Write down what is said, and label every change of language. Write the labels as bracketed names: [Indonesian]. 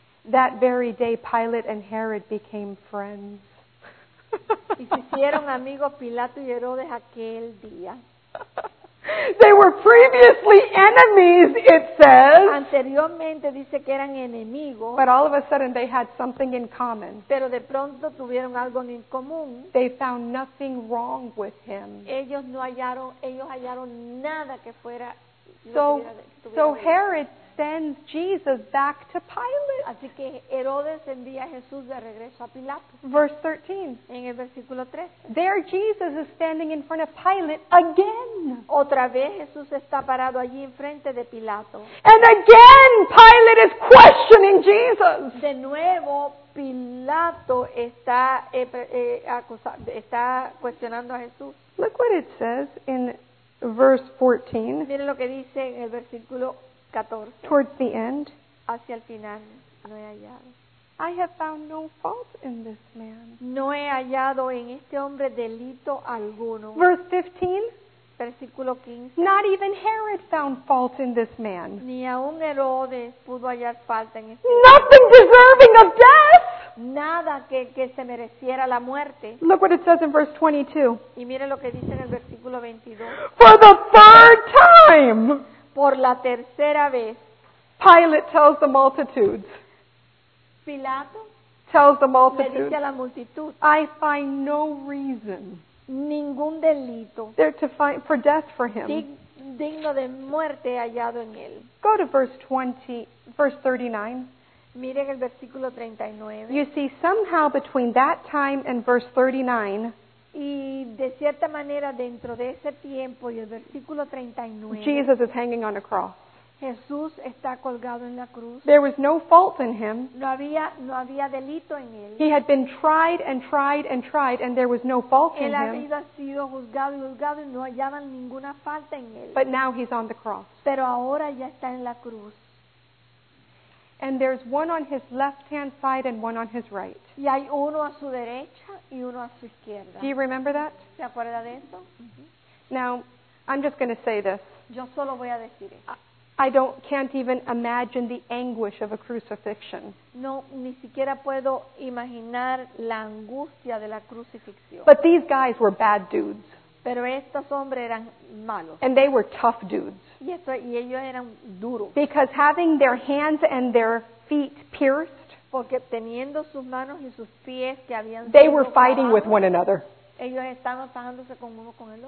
[English] That very day, Pilate and Herod became friends. [Spanish] Y se hicieron amigos Pilato y Herodes aquel día. [English] They were previously enemies, it says. [Spanish] Anteriormente dice que eran enemigos. [English] But all of a sudden they had something in common. [Spanish] Pero de pronto tuvieron algo en común. [English] They found nothing wrong with him. [Spanish] Ellos hallaron nada que fuera. [English] So Herod sends Jesus back to Pilate. [Spanish] Así que Herodes envía a Jesús de regreso a Pilato. [English] Verse 13. [Spanish] En el versículo 13. [English] There Jesus is standing in front of Pilate again. [Spanish] Otra vez Jesús está parado allí enfrente de Pilato. [English] And again Pilate is questioning Jesus. [Spanish] De nuevo Pilato está acusando, está cuestionando a Jesús. [English] Look what it says in verse 14. [Spanish] Miren lo que dice en el versículo 14. [English] Towards the end. [Spanish] Hacia el final. No he hallado. [English] I have found no fault in this man. [Spanish] No he hallado en este hombre delito alguno. [English] Verse 15. [Spanish] Versículo 15. [English] Not even Herod found fault in this man. [Spanish] Ni aun Herodes pudo hallar falta en este [English] Nothing [Spanish] hombre. [English] Deserving of death. [Spanish] Nada que se mereciera la muerte. [English] Look what it says in verse 22. [Spanish] Y mire lo que dice en el versículo 22. [English] For the third time. [Spanish] Por la tercera vez. [English] Pilate tells the multitudes. [Spanish] Pilato. [English] Tells the multitudes. [Spanish] Le dice a la multitud. [English] I find no reason. [Spanish] Ningún delito. [English] They're to find for death for him. [Spanish] Digno de muerte hallado en él. [English] Go to verse 39. [Spanish] Miren el versículo 39. [English] You see, somehow between that time and verse 39, [Spanish] y de cierta manera dentro de ese tiempo y el versículo 39, [English] Jesus is hanging on a cross. [Spanish] Jesús está colgado en la cruz. [English] There was no fault in him. [Spanish] No había delito en él. [English] He had been tried and tried and tried, and there was no fault [Spanish] él Él había sido juzgado y no hallaban ninguna falta en él. [English] But now he's on the cross. [Spanish] Pero ahora ya está en la cruz. [English] And there's one on his left-hand side and one on his right. [Spanish] Y hay uno a su derecha y uno a su izquierda. [English] Do you remember that? [Spanish] ¿Se acuerda de eso? [English] Mm-hmm. Now, I'm just going to say this. [Spanish] Yo solo voy a decir esto. [English] I can't even imagine the anguish of a crucifixion. [Spanish] No, ni siquiera puedo imaginar la angustia de la crucifixión. [English] But these guys were bad dudes. [Spanish] Pero estos hombres eran malos. [English] And they were tough dudes. [Spanish] Y ellos eran duros. [English] Because having their hands and their feet pierced, [Spanish] porque teniendo sus manos y sus pies que habían sido [English] they were fighting with one another. [Spanish] Ellos estaban fajándose con uno con el otro.